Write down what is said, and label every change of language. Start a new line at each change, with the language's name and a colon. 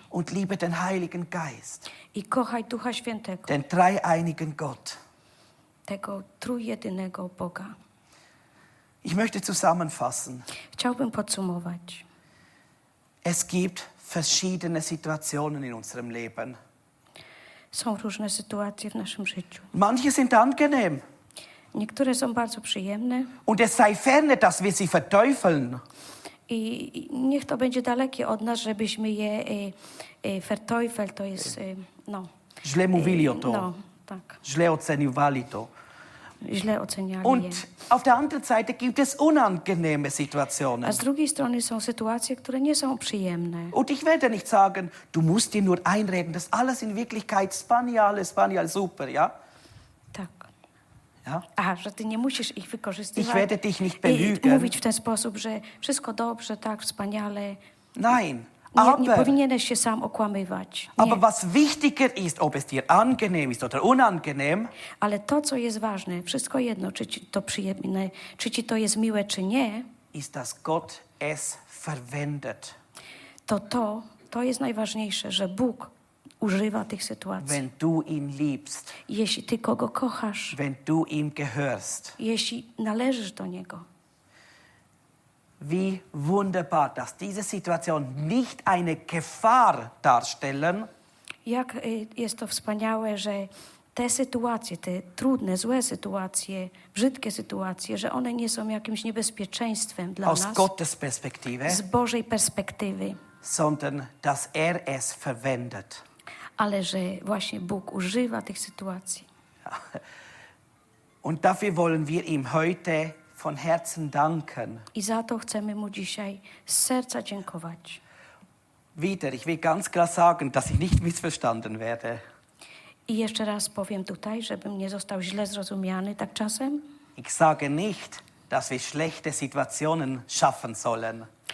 German: Und liebe den Heiligen Geist.
Polish: I kochaj Ducha Świętego.
German: Den dreieinigen Gott.
Polish: Tego trójjedynego Boga.
German: Ich möchte zusammenfassen.
Polish: Chciałbym podsumować.
German: Es gibt verschiedene Situationen in unserem Leben.
Polish: Są różne sytuacje w naszym życiu.
German: Manche sind angenehm.
Polish: Niektóre są bardzo przyjemne.
German: Und es sei ferne, dass wir sie verteufeln.
Polish: I niech to będzie dalekie od nas, żebyśmy je verteufel, to jest no. Źle mówili o to. No, tak. Źle oceniowali to. Źle oceniali
German: Und
Polish: je.
German: Auf der anderen Seite gibt es unangenehme Situationen.
Polish: A z drugiej strony są sytuacje, które nie są przyjemne.
German: Und ich werde nicht sagen, du musst dir nur einreden, das alles in Wirklichkeit spanial, super, ja?
Polish: Tak.
German: Ja?
Polish: A, że ty nie musisz ich wykorzystywać.
German: Ich werde dich nicht belügen.
Polish: Mówić w ten sposób, że wszystko dobrze, tak, wspaniale.
German: Nein.
Polish: Nie, nie powinieneś się sam okłamywać. Nie.
German: Aber was wichtiger ist, ob es dir angenehm ist oder unangenehm.
Polish: Ale to, co jest ważne, wszystko jedno, czy ci to przyjemne, czy ci to jest miłe, czy nie.
German: Ist, dass Gott es verwendet.
Polish: To jest najważniejsze, że Bóg używa tych sytuacji.
German: Wenn du ihn liebst.
Polish: Jeśli ty kogo kochasz.
German: Wenn du ihm gehörst.
Polish: Jeśli należysz do niego.
German: Wie wunderbar, dass diese Situation nicht eine Gefahr darstellen.
Polish: Jak jest to wspaniałe, że te sytuacje, te trudne, złe sytuacje, brzydkie sytuacje, że one nie są jakimś niebezpieczeństwem dla
German: aus
Polish: nas.
German: Aus Gottes Perspektive.
Polish: Z Bożej perspektywy.
German: Sondern, dass es verwendet.
Polish: Ale że właśnie Bóg używa tych sytuacji.
German: Und dafür wollen wir ihm heute von Herzen danken.
Polish: I za to chcemy mu dzisiaj z serca dziękować.
German: Wieder, ich will ganz klar sagen, dass ich nicht missverstanden werde.
Polish: I jeszcze raz powiem tutaj, żebym nie został źle zrozumiany tak czasem.
German: Ich sage nicht, dass wir schlechte Situationen schaffen sollen.